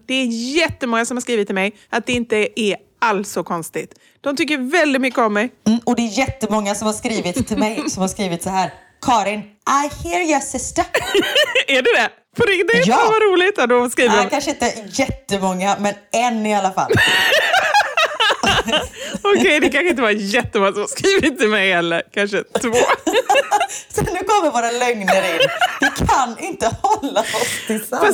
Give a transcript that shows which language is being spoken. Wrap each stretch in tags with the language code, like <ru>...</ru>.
<sv>Det är jättemånga som har skrivit till mig att det inte är alls så konstigt. De tycker väldigt mycket om mig. Mm, och det är jättemånga som har skrivit till mig som har skrivit så här.</sv> <en>Karin, I hear your sister.</en> <sv>Är det det? På riktigt? Ja. Vad roligt att de skriver. Nej, kanske inte jättemånga, men en i alla fall. Okej, det kanske inte var jättemånga som skrivit till mig heller. Kanske två. Så nu kommer våra lögner in. Vi kan inte hålla oss till sanningen.</sv>